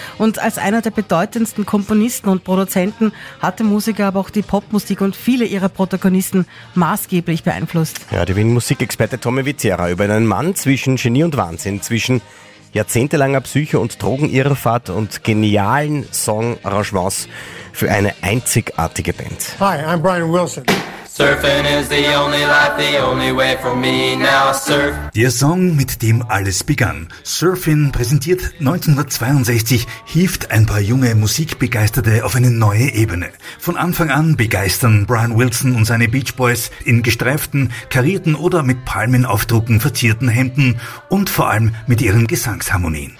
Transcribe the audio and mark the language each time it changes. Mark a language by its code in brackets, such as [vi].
[de] Und als einer der bedeutendsten Komponisten und Produzenten hatte Musiker aber auch die Popmusik und viele ihrer Protagonisten maßgeblich beeinflusst. Ja, der Wien-Musikexperte Tommy Vizera über einen Mann zwischen Genie und Wahnsinn, zwischen jahrzehntelanger Psyche und Drogenirrfahrt und genialen Song-Arrangements für eine einzigartige Band. [en] Hi, I'm Brian Wilson. Surfing is the only life, the only way for me now, surf. [de] Der Song, mit dem alles begann. Surfin' präsentiert 1962, hieft ein paar junge Musikbegeisterte auf eine neue Ebene. Von Anfang an begeistern Brian Wilson und seine Beach Boys in gestreiften, karierten oder mit Palmenaufdrucken verzierten Hemden und vor allem mit ihren Gesangsharmonien.